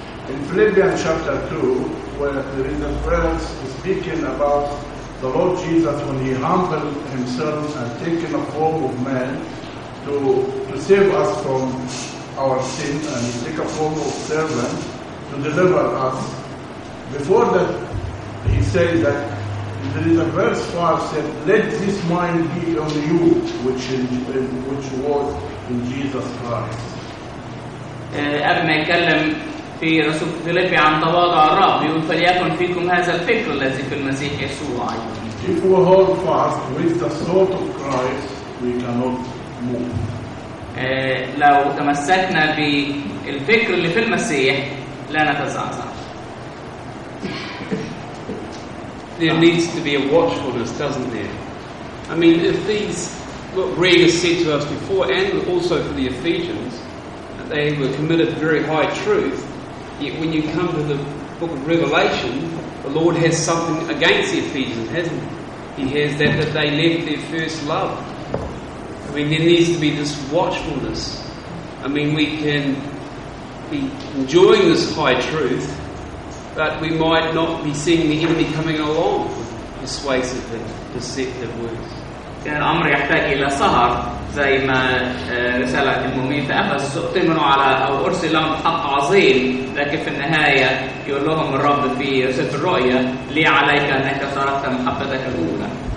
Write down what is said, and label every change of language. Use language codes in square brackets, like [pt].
[en] In Philippians chapter 2, where there is a verse speaking about the Lord Jesus when he humbled himself and taken a form of man to save us from our sin, and he took a form of servant to deliver us. Before that, he said that. There is a verse 5 said, "Let this mind be on you, which was in Jesus Christ." [ar] قبل ما يتكلم في رسول فيليب عن تواضع الرب يقول فليكن فيكم هذا الفكر الذي في المسيح يسوع. [en] If we hold fast with the thought of Christ, we cannot move. [ar] لو تمسكنا بالفكر اللي في المسيح لا نتزعزع. [en] There needs to be a watchfulness, doesn't there? I mean, if these, what Greg has said to us before, and also for the Ephesians, that they were committed to very high truth, yet when you come to the book of Revelation, the Lord has something against the Ephesians, hasn't he? He has that they left their first love. I mean, there needs to be this watchfulness. I mean, we can be enjoying this high truth, but we might not be seeing the enemy coming along with persuasive and deceptive words. [ar] كان الأمر يحتاج إلى صهر زي ما رسالة المؤمنين في أفسس اؤتمنوا على أو أرسل لهم حق عظيم لكن في النهاية يقول لهم الرب في سفر الرؤيا لي عليك أنك تركت محبتك الأولى.